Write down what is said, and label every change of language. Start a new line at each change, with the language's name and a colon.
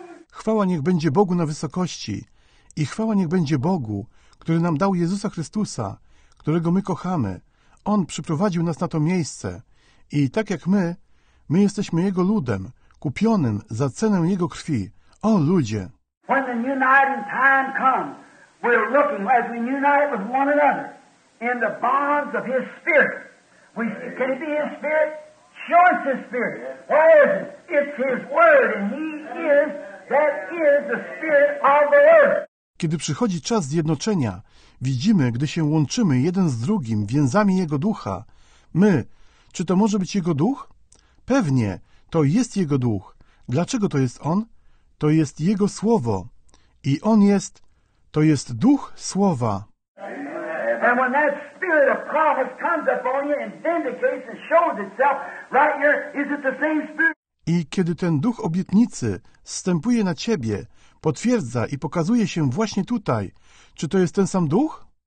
Polish: Chwała niech będzie Bogu na wysokości i chwała niech będzie Bogu, który nam dał Jezusa Chrystusa, którego my kochamy. On przyprowadził nas na to miejsce i tak jak my jesteśmy Jego ludem, kupionym za cenę Jego krwi. O ludzie!
English: When the uniting time comes, we're looking as we unite with one another in the bonds of His Spirit. Can it be His Spirit? Sure, it's His Spirit. Why is it? It's His Word, and He is, that is the Spirit of the Word.
Polish: Kiedy przychodzi czas zjednoczenia, widzimy, gdy się łączymy jeden z drugim więzami Jego Ducha, my, czy to może być Jego Duch? Pewnie, to jest Jego Duch. Dlaczego to jest On? To jest Jego Słowo. I On jest, to jest Duch Słowa.
English: And when that spirit of promise comes upon you and vindicates and shows itself right here, is it the same spirit?
Polish: I kiedy ten Duch Obietnicy zstępuje na ciebie, potwierdza i pokazuje się właśnie tutaj. Czy to jest ten sam duch?